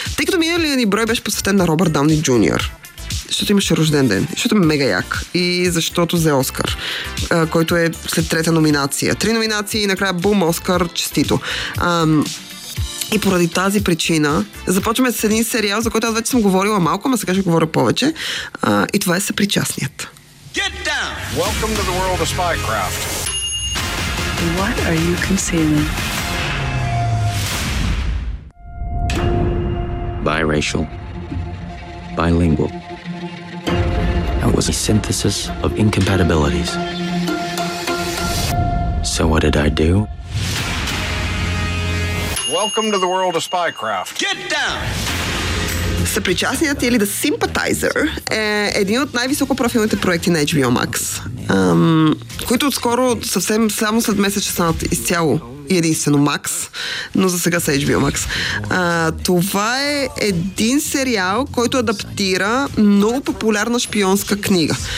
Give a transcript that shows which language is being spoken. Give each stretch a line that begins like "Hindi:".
Bulgarian: Тъй като миналия ни брой беше посветен на Робърт Дауни Джуниор. Защото имаше рожден ден. Защото е мега як. И защото взе Оскар, който е след трета номинация. Три номинации и накрая бум, Оскар, честито. И поради тази причина започваме с един сериал, за който аз вече съм говорила малко, ама сега ще говоря повече. И това е Съпричастният.
English: Get down! Welcome to the world of spycraft. What are you concealing? Biracial. Bilingual. That was a synthesis of incompatibilities. So what did I do? Welcome to the world of spycraft. Get down!
Bulgarian: Съпричастният или The Sympathizer е един от най-високо профилните проекти на HBO Max, които отскоро съвсем само след месец ще станат изцяло и единствено Max, но за сега са HBO Max. Това е един сериал, който адаптира много популярна шпионска книга.